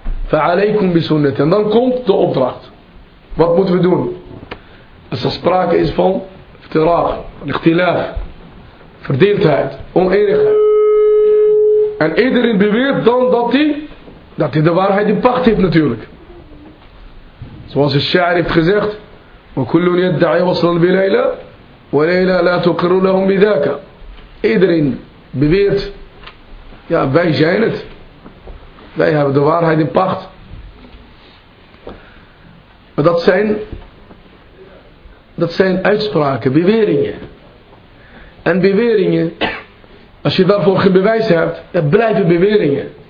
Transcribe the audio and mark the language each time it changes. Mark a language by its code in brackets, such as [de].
[ar] فَعَلَيْكُمْ بِسُنَّةِ. [nl] En dan komt de opdracht. Wat moeten we doen? Als er sprake is van iftiraq, ikhtilaf, verdeeldheid, oneenigheid, en iedereen beweert dan dat hij de waarheid in pacht heeft natuurlijk. Zoals de sha'ir heeft gezegd: [ar] وَكُلُّنْ يَدَّعِي وَصْلًا بِلَيْلَ وَلَيْلَ لَا تُقِرُوا لَهُمْ بِذَاكَ. [nl] Iedereen beweert, ja, wij zijn het. Wij hebben de waarheid in pacht. Maar dat zijn uitspraken, beweringen. En beweringen, als je daarvoor geen bewijs hebt, dan blijven beweringen.